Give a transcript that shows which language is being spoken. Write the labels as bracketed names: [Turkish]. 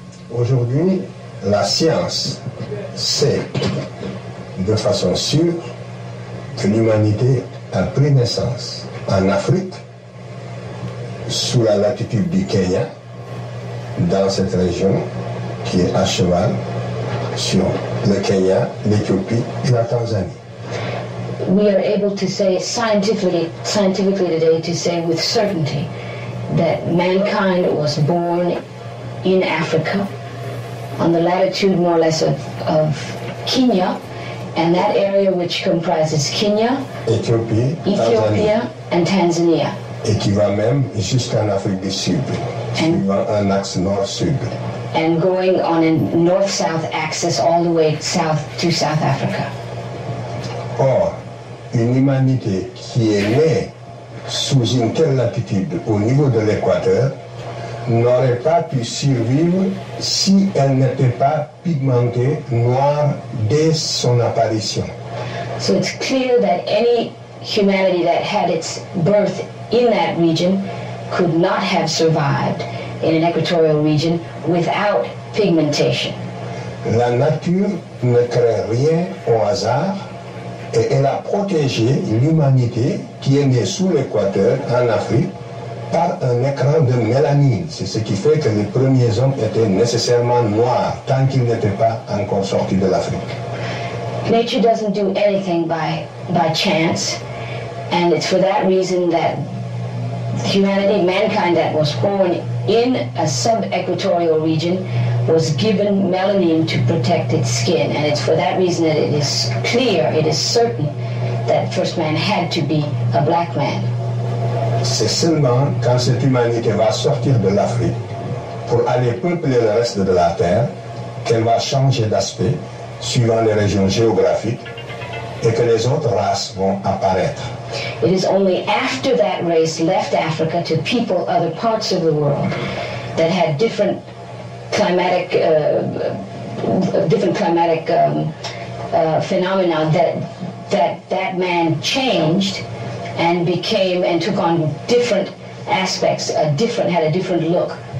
[French] Aujourd'hui, la science sait de façon sûre que l'humanité a pris naissance en Afrique, sous la latitude du Kenya, dans cette région qui est à cheval sur le Kenya, l'Éthiopie et la Tanzanie. [English] We are able to say scientifically today, to say with certainty that mankind was born in Africa on the latitude more or less of Kenya, and that area which comprises Kenya, [French] Éthiopie, [English] Ethiopia, Tanzania, and Tanzania. [French] Et qui va même jusqu'en Afrique du Sud. Suivant un axe nord-sud. [English] and going on a north-south axis all the way south to South Africa. [French] Or, une humanité qui est née sous une telle latitude au niveau de l'équateur n'aurait pas pu survivre si elle n'était pas pigmentée noire dès son apparition. [English] So it's clear that any humanity that had its birth in that region could not have survived in an equatorial region without pigmentation. [French] La nature ne crée rien au hasard et elle a protégé l'humanité qui est née sous l'équateur en Afrique par un écran de mélanine. C'est ce qui fait que les premiers hommes étaient nécessairement noirs tant qu'ils n'étaient pas encore sortis de l'Afrique. [English] Nature doesn't do anything by chance, and it's for that reason that humanity, mankind that was born in a sub-equatorial region, was given melanin to protect its skin, and it's for that reason that it is clear, it is certain, that first man had to be a black man. [French] C'est seulement quand cette humanité va sortir de l'Afrique pour aller peupler le reste de la Terre qu'elle va changer d'aspect suivant les régions géographiques et que les autres races vont apparaître. [English] It is only after that race left Africa to people other parts of the world that had different climatic phenomena that man changed and became and took on different aspects, had a different look.